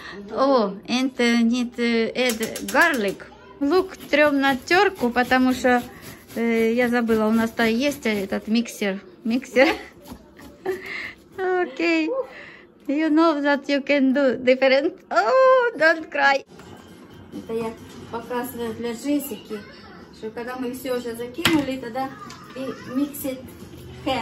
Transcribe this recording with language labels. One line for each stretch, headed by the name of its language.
English: Oh, and need to add garlic.
Russian: Лук трем на терку, потому что я забыла, у нас-то есть этот миксер. Миксер. Окей. Okay.
English: You know that you can do different. Oh, don't cry.
Russian: Это я показываю для Джессики, что когда мы все уже закинули, тогда и миксит hands.